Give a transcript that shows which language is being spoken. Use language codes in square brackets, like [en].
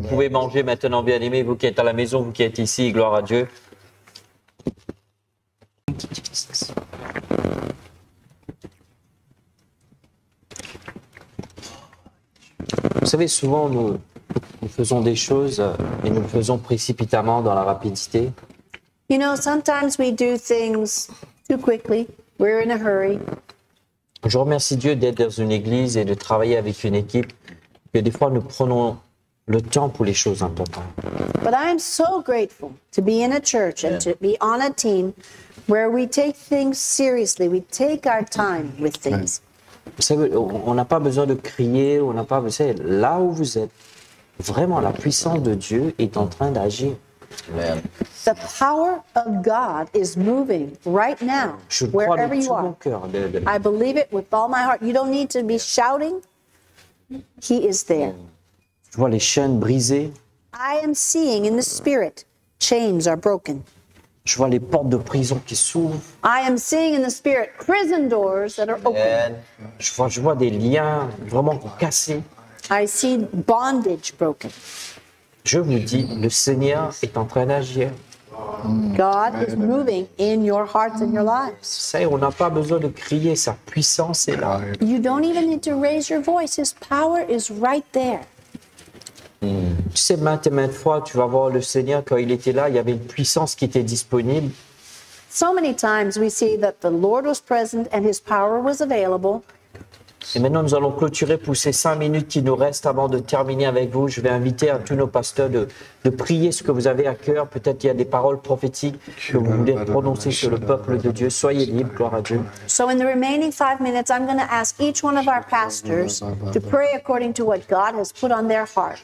[fr] Vous pouvez manger maintenant, bien-aimés, vous qui êtes à la maison, vous qui êtes ici, gloire à Dieu. Vous savez, souvent, nous faisons des choses et nous le faisons précipitamment dans la rapidité. [en] You know, sometimes we do things too quickly. We're in a hurry. [fr] Je remercie Dieu d'être dans une église et de travailler avec une équipe, que des fois nous prenons le temps pour les choses importantes. [en] But I'm so grateful to be in a church and to be on a team where we take things seriously. We take our time with things. [fr] Vous savez, on n'a pas besoin de crier, on n'a pas besoin. Là où vous êtes, vraiment, la puissance de Dieu est en train d'agir. [en] Man. The power of God is moving right now, wherever you are. I believe it with all my heart. You don't need to be shouting. He is there. [fr] Je vois les chaînes brisées. [en] I am seeing in the spirit, chains are broken. [fr] Je vois les portes de prison qui s'ouvrent. [en] I am seeing in the spirit, prison doors that are open. [fr] Je vois des liens vraiment cassés. [en] I see bondage broken. [fr] Je vous dis, le Seigneur est en train d'agir. [en] God is moving in your hearts and your lives. [fr] C'est, on n'a pas besoin de crier, sa puissance est là. [en] You don't even need to raise your voice. His power is right there. [fr] Tu sais, maintes et maintes fois, tu vas voir le Seigneur, quand il était là, il y avait une puissance qui était disponible. [en] So many times we see that the Lord was present and his power was available. [fr] Et maintenant, nous allons clôturer pour ces 5 minutes qui nous restent avant de terminer avec vous. Je vais inviter à tous nos pasteurs de prier ce que vous avez à cœur. Peut-être qu'il y a des paroles prophétiques que vous voulez prononcer sur le peuple de Dieu. Soyez libres, gloire à Dieu. [en] So in the remaining 5 minutes, I'm going to ask each one of our pastors to pray according to what God has put on their heart.